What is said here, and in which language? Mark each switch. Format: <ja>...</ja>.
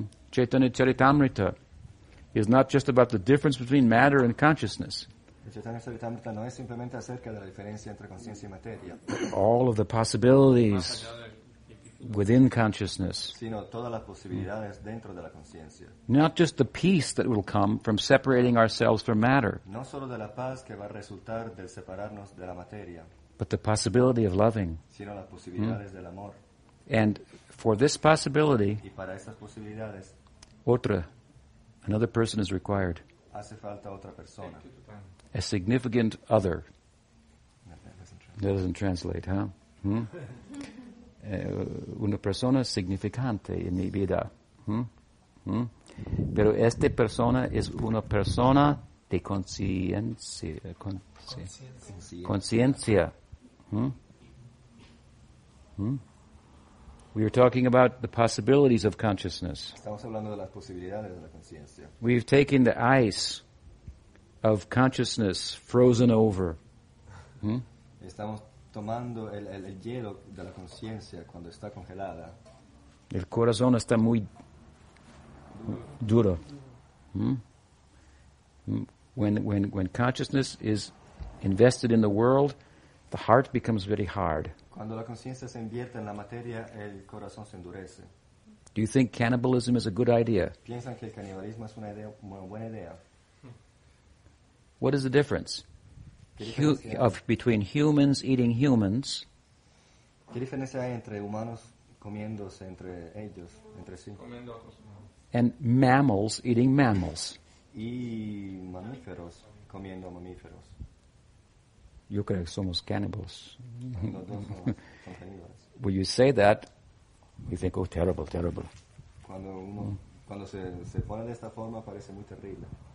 <en>Chaitanya Charitamrita is not just about the difference between matter and consciousness.</en> <es>No es simplemente acerca de la diferencia entre conciencia y materia.</es> <en>All of the possibilities within consciousness.</en> <es>Sino todas las posibilidades dentro de la conciencia.</es> <en>Not just the peace that will come from separating ourselves from matter.</en> <es>No solo de la paz que va a resultar del separarnos de la materia.</es> <en>But the possibility of loving.</en> <es>Sino las posibilidades del amor.</es> <en>And for this possibility.</en> <es>Y para estas posibilidades.</es> <en>Another person is required.</en> <es>Hace falta otra persona.</es> <en>A significant other. That doesn't translate, huh?</en> <es>Una persona significante en mi vida. Pero esta persona es una persona de conciencia.</es> <en>We are talking about the possibilities of consciousness.</en> <es>Estamos hablando de las posibilidades de la conciencia.</es> <en>We've taken the ice of consciousness frozen over.</en> <es>Estamos tomando el hielo de la conciencia cuando está congelada. El corazón está muy duro.</es> <en>When consciousness is invested in the world, the heart becomes very hard.</en> <es>Cuando la conciencia se invierte en la materia, el corazón se endurece.</es> <en>Do you think cannibalism is a good idea?</en> <es>¿Piensan que el canibalismo es una buena idea?</es> <en>What is the difference between humans eating humans?</en> <es>¿Qué diferencia hay entre humanos comiéndose entre ellos, entre sí?</es> <en>And mammals eating mammals.</en> <es>Y mamíferos comiendo mamíferos. Yo creo que somos cannibals. No.</es> <en>When you say that, you think, oh, terrible.</en> <es>Cuando se pone de esta forma, parece muy terrible.</es>